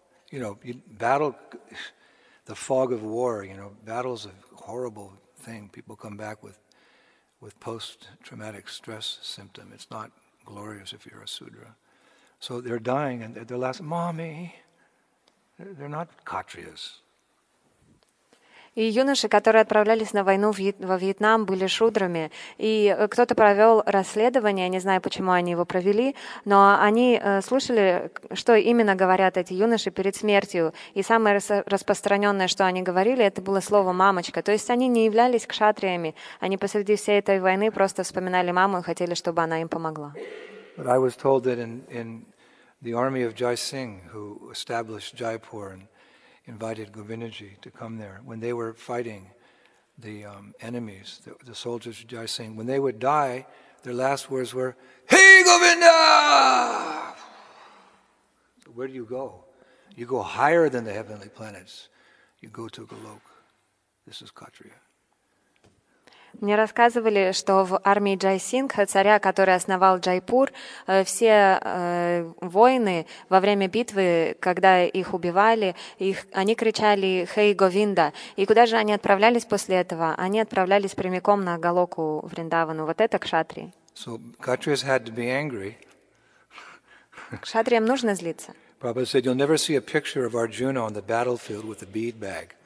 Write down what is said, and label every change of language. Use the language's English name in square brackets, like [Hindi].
[English] You know, battle, the fog of war, you know, battle's a horrible thing. People come back with post-traumatic stress symptom. It's not glorious if you're a sudra. So they're dying, and they're last, "Mommy, They're not Kshatriyas. [Russian] И юноши, которые отправлялись на войну во Вьетнам, были шудрами. И кто-то провел расследование, не знаю, почему они его провели, но они слышали, что именно говорят эти юноши перед смертью. И самое распространенное, что они говорили, это было слово «мамочка». То есть они не являлись кшатриями. Они посреди всей этой войны просто вспоминали маму и хотели, чтобы она им помогла. [English] But I was told that in the army of Jai Singh, who established Jaipur and invited Govindaji to come there. When they were fighting the enemies, the soldiers of Jai Singh, when they would die, their last words were, "Hey, Govinda! Where do you go? You go higher than the heavenly planets. You go to Golok. This is Kshatriya." [Russian] Мне рассказывали, что в армии Джай Сингха, царя, который основал Джайпур, все воины во время битвы, когда их убивали, они кричали «Хей, Говинда!». И куда же они отправлялись после этого? Они отправлялись прямиком на Голоку Вриндавану. Вот это кшатри. [English] So, Kshatriyas had to be angry. [Russian] Кшатриям нужно злиться. [English] Prabhupada said, "You'll never see a picture of Arjuna on the battlefield with a bead bag."